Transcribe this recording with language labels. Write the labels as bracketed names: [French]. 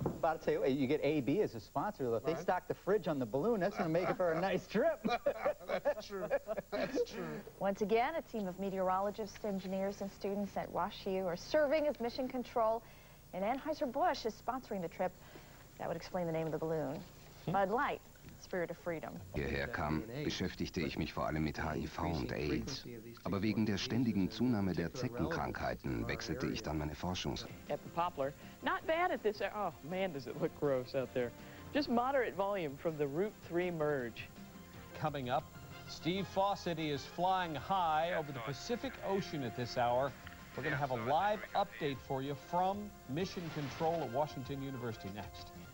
[English] About to tell you, you get AB as a sponsor. If they stock the fridge on the balloon, that's going to make it for a nice trip. That's true. That's true. Once again, a team of meteorologists, engineers, and students at WashU are serving as Mission Control, and Anheuser-Busch is sponsoring the trip. That would explain the name of the balloon. Bud Light, Spirit of Freedom. [German] Hierher kam, beschäftigte ich mich vor allem mit HIV und AIDS. Aber wegen der ständigen Zunahme der Zeckenkrankheiten wechselte ich dann meine Forschungs. [English] At the Poplar, not bad at this. Oh man, does it look gross out there. Just moderate volume from the Route 3 merge. Coming up, Steve Fossett is flying high over the Pacific Ocean at this hour. We're going to have a live update for you from Mission Control at Washington University next.